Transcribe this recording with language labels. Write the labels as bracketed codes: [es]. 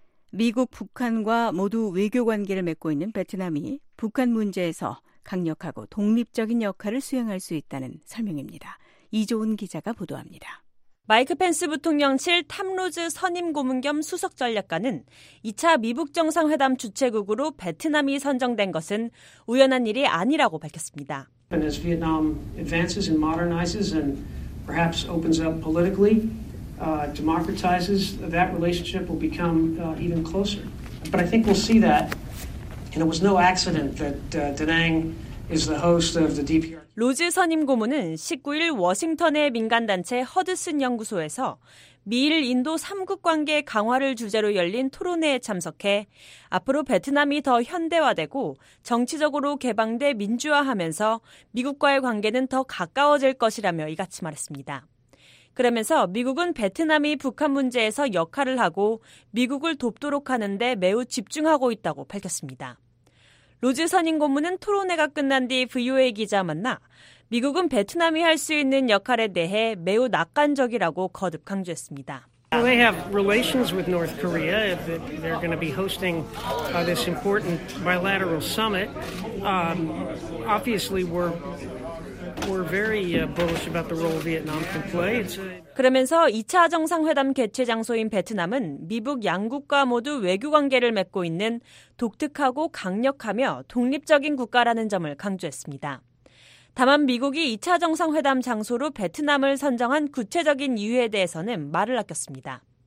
[ko] 미국, 북한과 모두 외교 관계를 맺고 있는 베트남이 북한 문제에서 강력하고 독립적인 역할을 수행할 수 있다는 설명입니다. 이조은 기자가 보도합니다. 마이크 펜스 부통령실 탐로즈 선임 고문 겸 수석 전략가는 2차 미북 정상회담 주최국으로 베트남이 선정된 것은 우연한 일이 아니라고 밝혔습니다. [en] As Vietnam advances and modernizes and perhaps opens up politically, democratizes, that relationship will become even closer. But I think we'll see that. And it was no accident that Da Nang is the host of the DPR. [ko] 로즈 선임 고문은 19일 워싱턴의 민간단체 허드슨 연구소에서 미일 인도 3국 관계 강화를 주제로 열린 토론회에 참석해 앞으로 베트남이 더 현대화되고 정치적으로 개방돼 민주화하면서 미국과의 관계는 더 가까워질 것이라며 이같이 말했습니다. 그러면서 미국은 베트남이 북한 문제에서 역할을 하고 미국을 돕도록 하는 데 매우 집중하고 있다고 밝혔습니다. 로즈 선임 고문은 토론회가 끝난 뒤 VOA 기자 만나 미국은 베트남이 할 수 있는 역할에 대해 매우 낙관적이라고 거듭 강조했습니다. [en] They have relations with North Korea. They're going to be hosting this important bilateral summit. Obviously, we're very bullish about the role Vietnam can play. [ko] 그러면서 2차 정상회담 개최 장소인 베트남은 미북 양국과 모두 외교 관계를 맺고 있는 독특하고 강력하며 독립적인 국가라는 점을 강조했습니다. 다만 미국이 2차 정상회담 장소로 베트남을 선정한 구체적인 이유에 대해서는 말을 아꼈습니다.